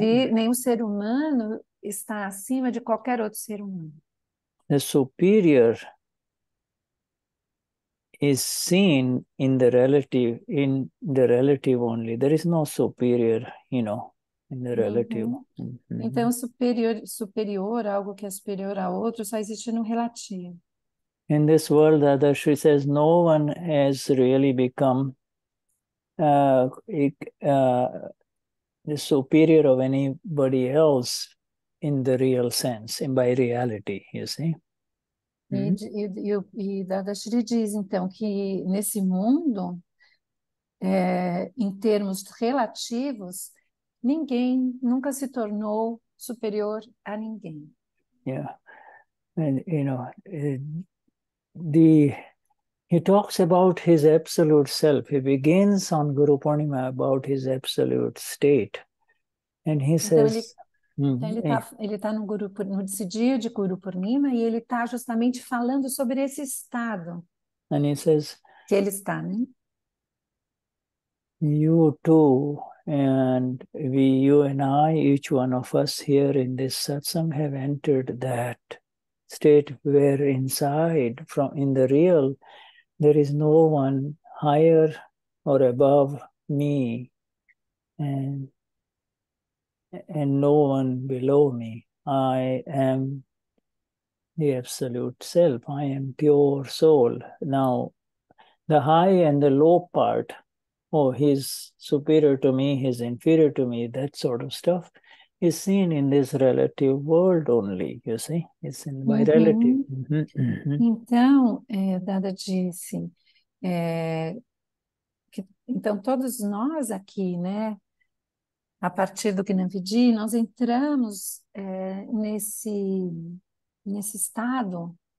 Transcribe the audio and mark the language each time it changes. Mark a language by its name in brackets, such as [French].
[Portuguese] Nenhum ser humano está acima de qualquer outro ser humano. [English] The superior is seen in the relative only. There is no superior, you know, in the relative. [Portuguese] Então, superior, algo que é superior a outro, só existe no relativo. [English] In this world, Dadashri says, no one has really become the superior of anybody else in the real sense, in by reality, you see. [Portuguese] E Dadashri diz, então, que nesse mundo, em termos relativos, ninguém nunca se tornou superior a ninguém. [English] Yeah. And, you know, he talks about his absolute self. He begins on Guru Purnima about his absolute state. And he says... [Portuguese] Então ele tá nesse dia de Guru Purnima e ele está justamente falando sobre esse estado. [English] And he says, [Portuguese] que ele está, né? [English] You too, and we, you and I, each one of us here in this satsang have entered that state where inside, from in the real, there is no one higher or above me. And no one below me. I am the absolute self. I am pure soul. Now, the high and the low part, oh, he's superior to me, he's inferior to me, that sort of stuff, is seen in this relative world only, you see? It's in my relative. [Portuguese] Então, Dada disse, então todos nós aqui, né, a partir do Gnani Vidhi, nós entramos nesse estado